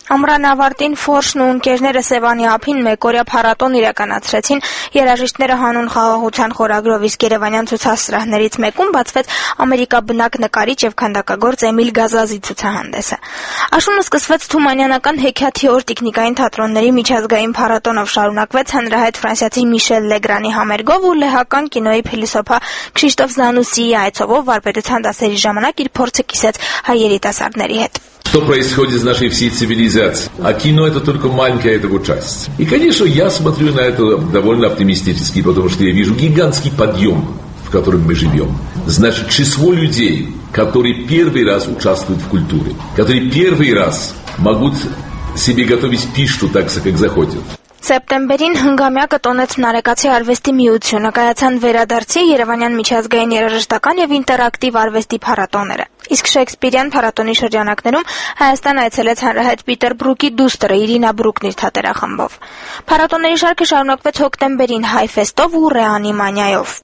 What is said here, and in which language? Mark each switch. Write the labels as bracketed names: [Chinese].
[Armenian] Ամրան ավարտին Ֆորշն ու ընկերները Սևանի ափին մեկօրյա փառատոն իրականացրեցին։ Երաժիշտները հանուն խաղաղության խորագրով, իսկ Երևանյան ցուցասրահներից մեկում բացվեց ամերիկաբնակ նկարիչ եւ քանդակագործ Էմիլ Գազազի ցուցահանդեսը։ Աշունը սկսվեց Թումանյանական Հեքիաթի օր տիկնիկային թատրոնների միջազգային փառատոնով, շարունակվեց հանրահայտ ֆրանսիացի Միշել Լեգրանի համերգով ու լեհական կինոյի փիլիսոփա Քրիստոֆ Զանուսիի այցովով վարպետության դասերի ժամանակ իր փորձը կիսեց հայ երիտասարդների հետ։ [Russian] Что происходит с нашей всей цивилизацией? А кино – это только маленькая его часть. И, конечно, я смотрю на это довольно оптимистически, потому что я вижу гигантский подъем, в котором мы живем. Значит, число людей, которые первый раз участвуют в культуре, которые первый раз могут себе готовить пищу так, как захотят. [Armenian] Սեպտեմբերին հնգամյակը տոնեց Նարեկացի արվեստի միությունը, կայացան վերադարձի Երևանյան միջազգային երաժշտական եւ ինտերակտիվ արվեստի փառատոները։ Իսկ Շեքսպիրյան փառատոնի շրջանակներում Հայաստան այցելեց հանրահայտ Պիտեր Բրուկի դուստրը Իրինա Բրուկնիր թատերախմբով։ Փառատոների շարքը շարունակվեց հոկտեմբերին Հայֆեստով ու Ռեանիմանիայով։